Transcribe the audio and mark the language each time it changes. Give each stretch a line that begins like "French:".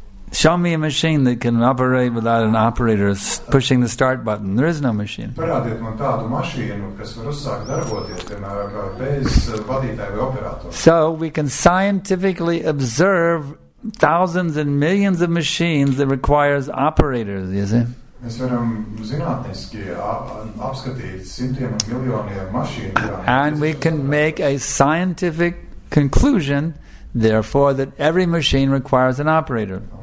English: Show me a machine that can operate without an operator pushing the start button. There is no machine. So we can scientifically observe thousands and millions of machines that requires operators, you see?
Latvian: Mēs varam zinātniski apskatīt simtiem un miljoniem mašīnu.
English: And we can make a scientific conclusion therefore that every machine requires an operator.